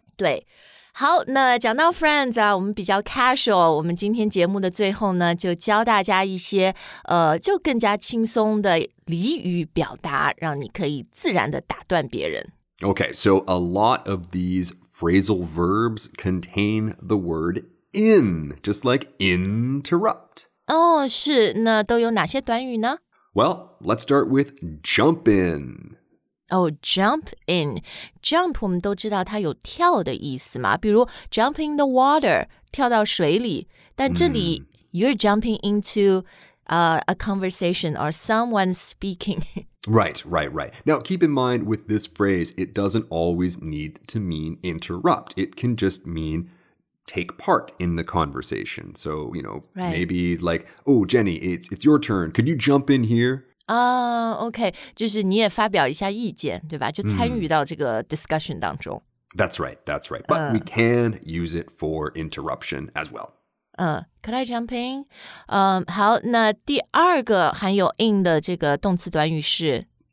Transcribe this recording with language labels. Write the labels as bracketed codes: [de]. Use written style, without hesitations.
[zh] 对。好，那讲到 friends 啊，我们比较 casual， 我们今天节目的最后呢，就教大家一些就更加轻松的俚语表达，让你可以自然的打断别人。 [en] Okay, so a lot of these phrasal verbs contain the word in, just like interrupt. [zh] 哦，是，那都有哪些短语呢？ [en] Well, let's start with jump in. Oh, jump in. [zh] Jump, 我们都知道它有跳的意思嘛。比如 [en] jump in the water, [zh] 跳到水里。但这里 [en] you're jumping into a conversation or someone speaking. Right. Now, keep in mind with this phrase, it doesn't always need to mean interrupt. It can just mean take part in the conversation. So, you know, maybe like, oh, Jenny, it's your turn. Could you jump in here? [zh] Okay, 就是你也发表一下意见，对吧？就参与到这个 discussion 当中。 [en] That's right. But we can use it for interruption as well. Could I jump in? [zh] 好，那第二个含有 in 的这个动词短语是